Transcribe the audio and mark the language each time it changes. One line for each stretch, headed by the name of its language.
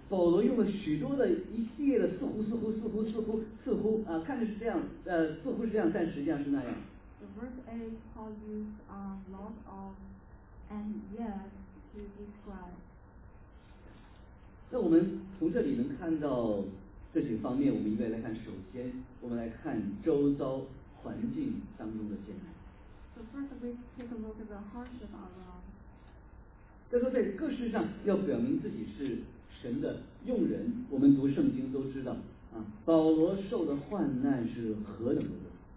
Chinese: 保罗用了许多的一系列的似乎啊，看着是这样，似乎是这样，但实际上是那样。
English: The verse 8 Paul used a lot of and yet to describe.
Chinese: 那我们从这里能看到这几个方面，我们应该来看。首先，我们来看周遭。环境当中的艰难。
English: So first, we take a look at the hardship around.
Chinese: 他说在各事上要表明自己是神的用人。我们读圣经都知道，啊，保罗受的患难是何等的多。